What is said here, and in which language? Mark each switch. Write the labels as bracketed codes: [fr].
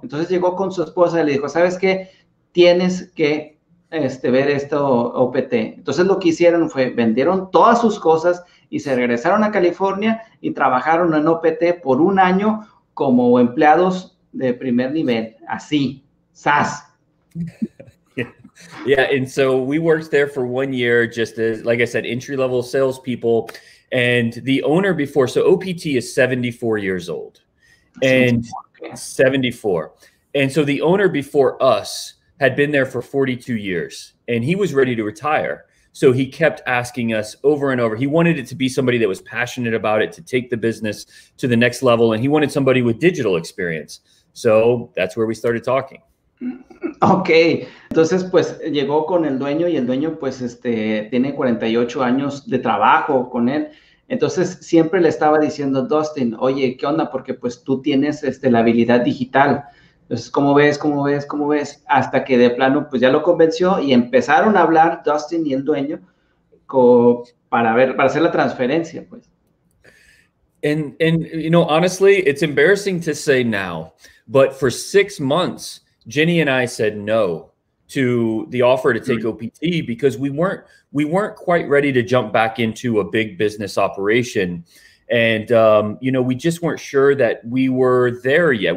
[es] Entonces, llegó con su esposa y le dijo, ¿sabes qué? Tienes que ver esto OPT. Entonces, lo que hicieron fue, vendieron todas sus cosas y se regresaron a California y trabajaron en OPT por un año como empleados de primer nivel. Así, ¡zas! [en] Yeah, and so we worked there for 1 year, just as, like I said, entry-level salespeople. And the owner before, so OPT is 74 years old. And 74. And so the owner before us had been there for 42 years, and he was ready to retire. So he kept asking us over and over. He wanted it to be somebody that was passionate about it, to take the business to the next level, and he wanted somebody with digital experience. So that's where we started talking. Okay. [es] Entonces, pues, llegó con el dueño, y el dueño, pues, tiene 48 años de trabajo con él. Entonces, siempre le estaba diciendo, Dustin, oye, ¿qué onda? Porque, pues, tú tienes la habilidad digital. Entonces, ¿cómo ves? Hasta que de plano, pues, ya lo convenció y empezaron a hablar Dustin y el dueño para hacer la transferencia, pues. [en] And, you know, honestly, it's embarrassing to say now, but for 6 months, Jenny and I said no to the offer to take OPT because we weren't quite ready to jump back into a big business operation. And, you know, we just weren't sure that we were there yet.